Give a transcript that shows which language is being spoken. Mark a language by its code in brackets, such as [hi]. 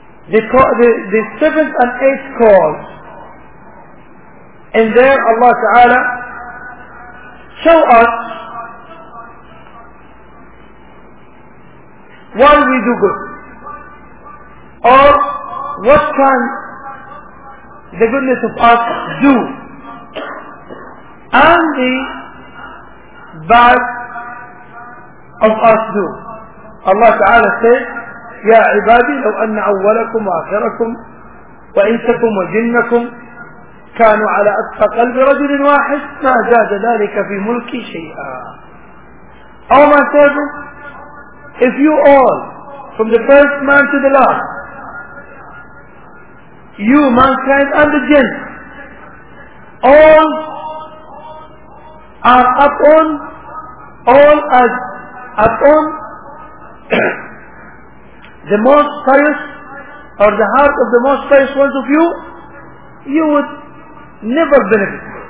[en] The seventh and eighth calls, and there Allah Ta'ala show us why we do good, or what can the goodness of us do, and the bad of us do. Allah Ta'ala says, [ar] يَا عِبَادِي لَوْ أَنَّ أَوَّلَكُمْ وَآخِرَكُمْ وَإِنْسَكُمْ وَجِنَّكُمْ كَانُوا عَلَى أَتْقَى قَلْبِ رَجُلٍ وَاحِدٍ مَا زَادَ ذَلِكَ فِي مُلْكِي شَيْئًا. [en] Oh my servant, if you all, from the first man to the last, you, mankind and the jinn, all are upon, all as upon the most pious, or the heart of the most pious ones of you, you would never benefit.